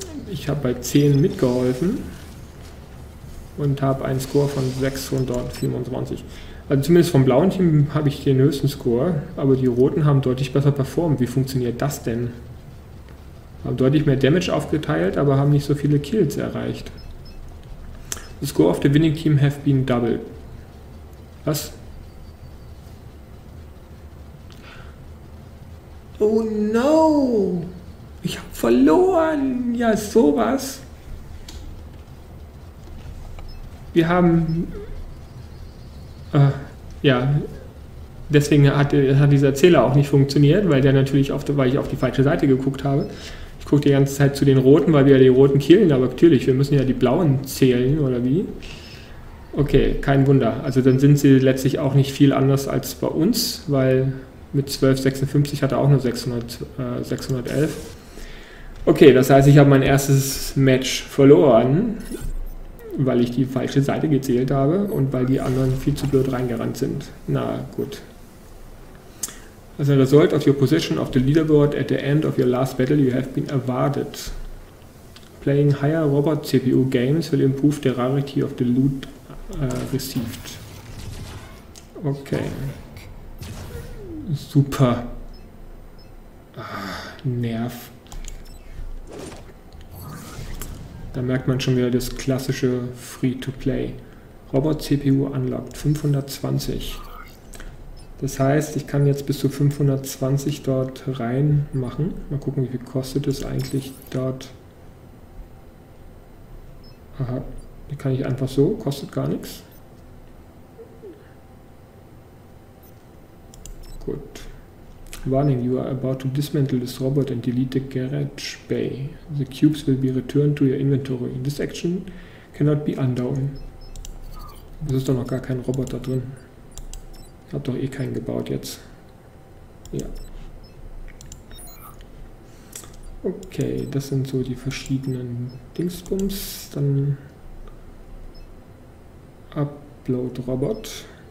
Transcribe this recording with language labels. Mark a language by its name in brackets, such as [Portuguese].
[German] Ich habe bei 10 mitgeholfen und habe einen Score von 625. Also zumindest vom blauen Team habe ich den höchsten Score, aber die roten haben deutlich besser performt. Wie funktioniert das denn? Haben deutlich mehr Damage aufgeteilt, aber haben nicht so viele Kills erreicht. [English] The score of the winning team have been double. [German] Was? [English] Oh no! [German] Ich hab verloren! Ja, sowas! Wir haben... ja. Deswegen hat dieser Zähler auch nicht funktioniert, weil der natürlich weil ich auf die falsche Seite geguckt habe. Ich gucke die ganze Zeit zu den Roten, weil wir ja die Roten killen, aber natürlich, wir müssen ja die Blauen zählen, oder wie? Okay, kein Wunder. Also dann sind sie letztlich auch nicht viel anders als bei uns, weil mit 1256 hat er auch nur 611. Okay, das heißt, ich habe mein erstes Match verloren, weil ich die falsche Seite gezählt habe und weil die anderen viel zu blöd reingerannt sind. Na gut. [English] As a result of your position of the leaderboard at the end of your last battle, you have been awarded. Playing higher robot CPU games will improve the rarity of the loot received. [German] Okay. Super. Nerv. Da merkt man schon wieder das klassische Free-to-Play. [English] Robot-CPU unlocked, [German] 520. Das heißt, ich kann jetzt bis zu 520 dort rein machen. Mal gucken, wie viel kostet es eigentlich dort. Aha, die kann ich einfach so, kostet gar nichts. Gut. [English] Warning, you are about to dismantle this robot and delete the garage bay. The cubes will be returned to your inventory. This action cannot be undone. [German] Es ist doch noch gar kein Roboter drin. Ich habe doch eh keinen gebaut jetzt. Ja. Okay, das sind so die verschiedenen Dingsbums. Dann Upload Robot.